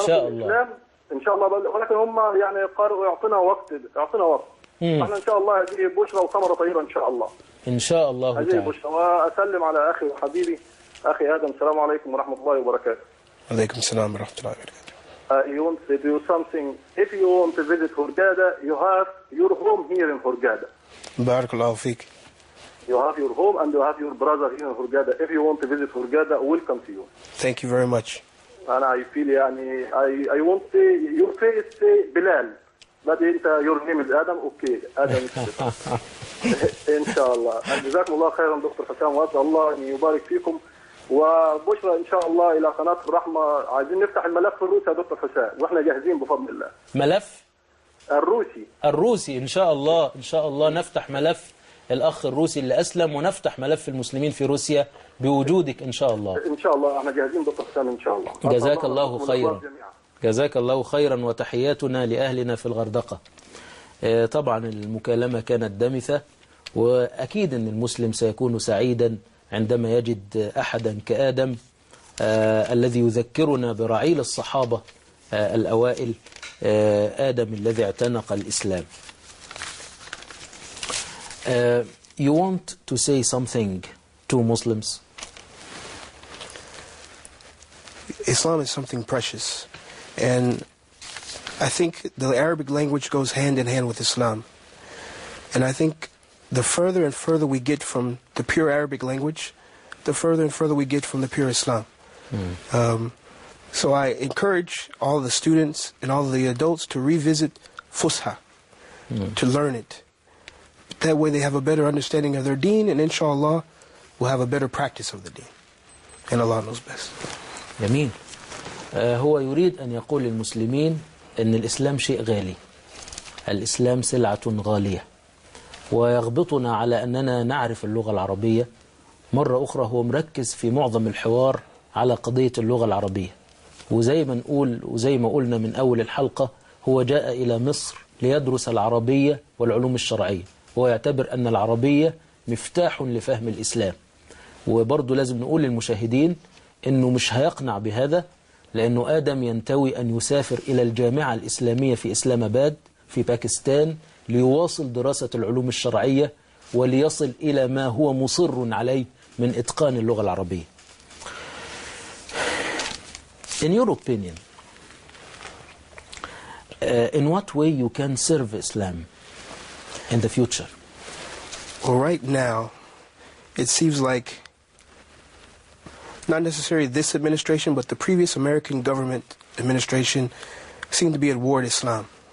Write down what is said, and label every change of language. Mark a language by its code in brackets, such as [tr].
[ar] إن شاء الله بالإسلام إن شاء الله، ولكن هم يعني قرروا يعطينا وقت، يعطينا وقت. إحنا إن شاء الله هذه بشرى وثمرة طيبة إن شاء الله. إن شاء الله هذه بشرى. وأسلم على أخي وحبيبي أخي آدم، السلام عليكم ورحمة الله وبركاته. عليكم السلام ورحمة الله وبركاته. [en] You want to do something. If you want to visit Hurghada, you have your home here in Hurghada. [ar] بارك الله فيك. [en] You have your home and you have your brother here in Hurghada. If you want to visit Hurghada, welcome to you. Thank you very much. And I feel يعني I want to say your face say Bilal. But [ar] أنت [en] your name is Adam. Okay, Adam. إن شاء الله. [ar] جزاكم الله خيرا دكتور حسام، وأسأل الله أن يبارك فيكم. وبشرى ان شاء الله الى قناه الرحمه، عايزين نفتح الملف الروسي يا دكتور حسام، واحنا جاهزين بفضل الله. ملف الروسي، الروسي ان شاء الله، ان شاء الله نفتح ملف الاخ الروسي اللي اسلم، ونفتح ملف المسلمين في روسيا بوجودك ان شاء الله. ان شاء الله احنا جاهزين دكتور حسام ان شاء الله. جزاك الله خيرا، جزاك الله خيرا، وتحياتنا لاهلنا في الغردقه. طبعا المكالمه كانت دمثه، واكيد ان المسلم سيكون سعيدا عندما يجد أحدا كآدم الذي يذكرنا برعيل الصحابة الأوائل، آدم الذي اعتنق الإسلام. [en] You want to say something to Muslims? Islam is something precious, and I think the Arabic language goes hand in hand with Islam, and I think the further and further we get from the pure Arabic language, the further and further we get from the pure Islam. So I encourage all the students and all the adults to revisit Fusha, to learn it. That way they have a better understanding of their deen, and inshallah will have a better practice of the deen. And Allah knows best. Yameen. [ar] هو يريد أن يقول للمسلمين أن الإسلام شيء غالي. الإسلام سلعة غالية. ويغبطنا على أننا نعرف اللغة العربية. مرة أخرى هو مركز في معظم الحوار على قضية اللغة العربية، وزي ما نقول وزي ما قلنا من أول الحلقة، هو جاء إلى مصر ليدرس العربية والعلوم الشرعية، ويعتبر أن العربية مفتاح لفهم الإسلام. وبرضو لازم نقول للمشاهدين أنه مش هيقنع بهذا، لأنه آدم ينتوي أن يسافر إلى الجامعة الإسلامية في إسلام أباد في باكستان ليواصل دراسة العلوم الشرعية، وليصل إلى ما هو مصر عليه من إتقان اللغة العربية. [en] In your opinion, in what way you can serve Islam in the future? Well, right now, it seems like not necessarily this administration, but the previous American government administration seemed to be at war with Islam.